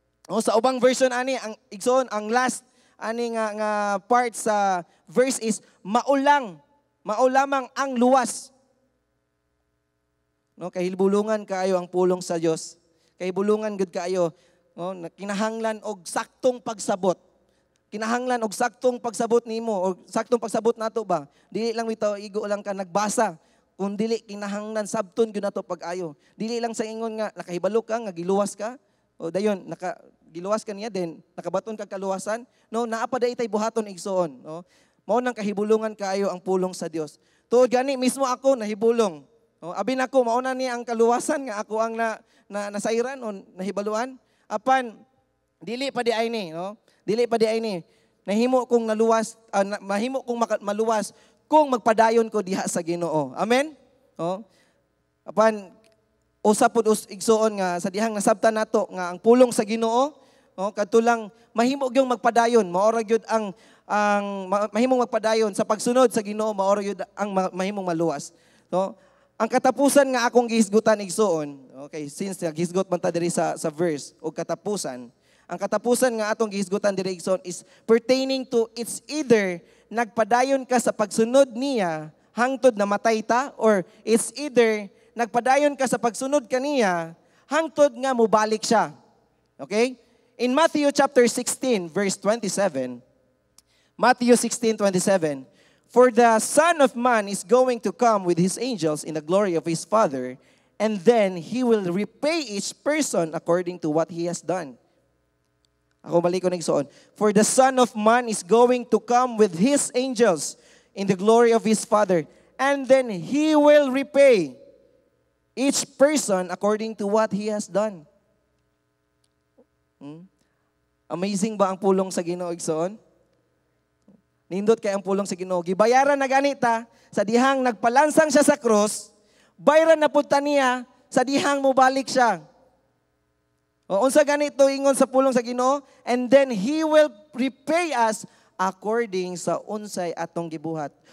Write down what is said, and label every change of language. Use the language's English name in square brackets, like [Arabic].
[Cebuano] O, sa ubang version ani ang Ixon, ang last ani nga part sa verse is maulamang ang luwas. No, kay hilbulungan kaayo ang pulong sa Dios. Kay bulungan gud kaayo, no, kinahanglan og saktong pagsabot. Kinahanglan og saktong pagsabot nimo og saktong pagsabot nato ba? Dili lang bitaw igo lang ka nagbasa. Kung dili kinahanglan sabton gyud nato pag-ayo. Dili lang sa ingon nga nakahibalo ka nga giluwas ka. O dayon nakagiluwas ka niya din, nakabaton ka kaluwasan. No, naa pa day tay buhaton igsoon, no. Mao nang kahibulungan kaayo ang pulong sa Dios. Tuod gani mismo ako nahibulong. O, abin ako mao na ni ang kaluwasan nga ako ang na nasairan o nahibaluan. Apan dili pa di ay ni, no. Dili pa di ay ni. Nahimo kong naluwas, mahimo kong maluwas kung magpadayon ko diha sa Ginoo. Amen? No? Apan, usapod igsoon nga, sa dihang nasabta nato nga ang pulong sa Ginoo, no? Katulang, mahimog yung magpadayon, maorag yun ang mahimong magpadayon sa pagsunod sa Ginoo, maorag yun ang mahimong maluwas. No? Ang katapusan nga akong gihisgutan igsoon, okay, since gihisgut man ta diri sa verse, o katapusan, ang katapusan nga atong gihisgutan diri igsoon [English] is pertaining to it's either [Cebuano] nagpadayon ka sa pagsunod niya hangtod na matay ta, [English] or it's either [Cebuano] nagpadayon ka sa pagsunod kaniya hangtod nga mubalik siya. [English] Okay? In Matthew chapter 16 verse 27, Matthew 16:27, for the Son of Man is going to come with his angels in the glory of his Father, and then he will repay each person according to what he has done. [Cebuano] Ako balik ko na igsoon. [English] For the Son of Man is going to come with His angels in the glory of His Father, and then He will repay each person according to what He has done. [Cebuano] Amazing ba ang pulong sa Ginoo, igsoon? Nindot kay ang pulong sa Ginoo. Gibayaran na ganita sa dihang nagpalansang siya sa cross, bayaran na punta niya sa dihang mubalik siya. O, unsa ganito ingon sa pulong sa Ginoo, [English] and then He will repay us according [Cebuano] sa unsay atong gibuhat.